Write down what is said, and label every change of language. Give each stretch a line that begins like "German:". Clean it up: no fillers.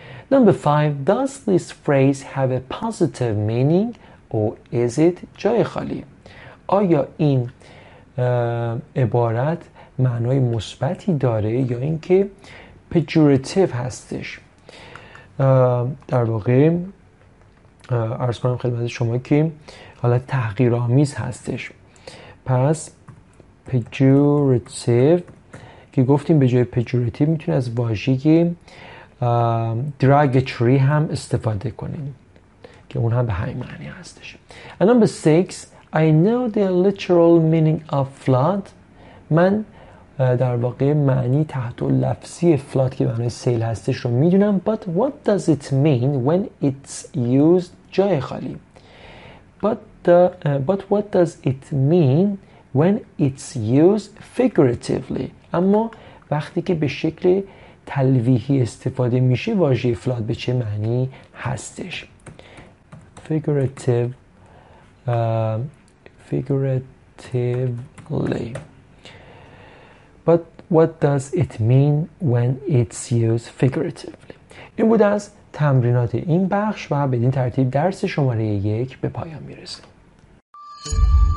English: Number 5 Does this phrase have a positive meaning or is it
Persian: جای خالی؟ آیا این عبارت معنای مثبتی داره یا اینکه pejorative هستش؟ در واقع عرض کنم خدمت شما که حالت تحقیرآمیز هستش. پس pejorative که گفتیم به جای پجورتیو میتونه از واژه دراگتری هم استفاده کنیم که اون هم به همین معنی هستش.
English: And number six, I know the literal meaning of flood.
Persian: من در واقع معنی تحت و لفظی flood که معنی سیل هستش رو میدونم.
English: But what does it mean when it's used
Persian: جای خالی؟
English: But what does it mean when it's used figuratively؟
Persian: اما وقتی که به شکل تلویحی استفاده میشه واژه flood به چه معنی هستش؟
English: Figuratively. But what does it mean when it's used figuratively?
Persian: این بود از تمرینات این بخش و بدین ترتیب درس شماره 1 به پایان میرسه.